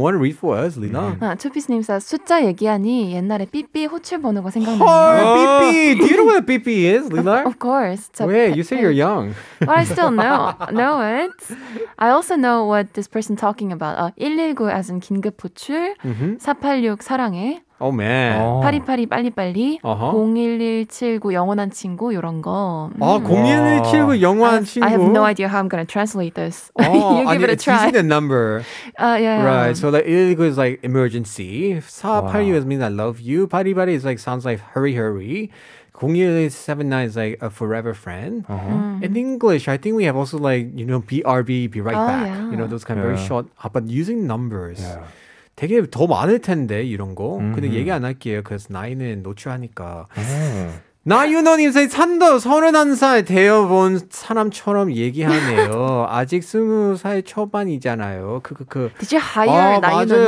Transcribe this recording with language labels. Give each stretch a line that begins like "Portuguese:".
English: Want to read for us, Lina? Two-Piece name says,
Korean: 숫자 얘기하니 옛날에 삐삐 호출번호가 생각나네요.
English: Oh, BP! Do you know what a BP is, Lina? Of course. Wait, you say you're young. But I still know it. I also know what this person talking about.
Korean: 119
English: as in
Korean: 긴급 호출, 486 사랑해.
English: Oh man.
Korean: 파리파리 빨리빨리 01179 영원한 친구 이런 거. 아, 01179 영원한 친구.
English: I have no idea how I'm going to translate this. you give it a try. It's using the number. Yeah. Right. So like 119 is like emergency. 482 means I love you. 파리파리 is like sounds like hurry. 01179 is like a forever friend. In English, I think we have also like, you know, BRB, be right back. Yeah. You know, those kind of very short but using numbers. Yeah.
Korean: 되게 더 많을 텐데 이런 거 근데 얘기 안 할게요 그래서 나이는 노출하니까 나윤호님 선생님 산도 31살 되어본 사람처럼 얘기하네요 아직 20살 초반이잖아요
English: Did you hire 나윤호님?